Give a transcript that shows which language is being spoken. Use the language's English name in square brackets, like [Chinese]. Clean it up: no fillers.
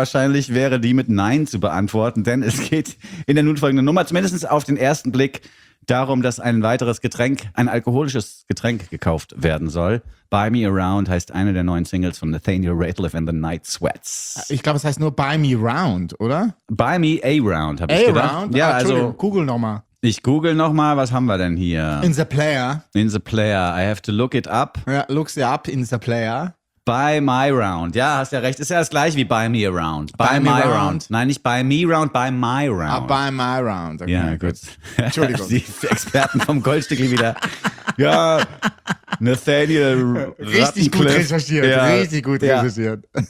[German] Wahrscheinlich wäre die mit Nein zu beantworten, denn es geht in der nun folgenden Nummer zumindest auf den ersten Blick darum, dass ein weiteres Getränk, ein alkoholisches Getränk gekauft werden soll. Buy Me Around heißt eine der neuen Singles von Nathaniel Rateliff and the Night Sweats. Ich glaube, es heißt nur Buy Me Round, oder? Buy Me A Round, habe ich gedacht. A Round? Ja, also Google nochmal. Ich google nochmal, was haben wir denn hier? [English] In the player. In the player, I have to look it up. Ja, look's it up in the player. Buy My Round. [German] Ja, hast ja recht. Ist ja das gleiche wie Buy Me a Round. Buy My Round. Nein, nicht Buy Me Round, Buy My Round. Ah, Buy My Round. Okay, ja, gut. Entschuldigung. Die Experten vom Goldstückli wieder. Ja, Nathaniel Rattencliffe. Richtig gut recherchiert. Ja. Richtig gut recherchiert.